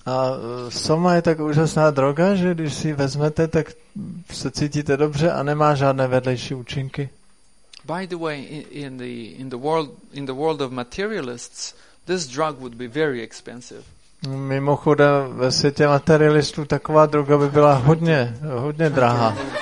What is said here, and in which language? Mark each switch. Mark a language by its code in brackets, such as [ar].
[cs] A soma je tak úžasná droga, že když si vezmete, tak se cítíte dobře a nemá žádné vedlejší účinky. [en] By the way, in the world of materialists, this drug would be very expensive. [cs] Mimochodem, ve světě materialistů taková droga by byla hodně, hodně drahá.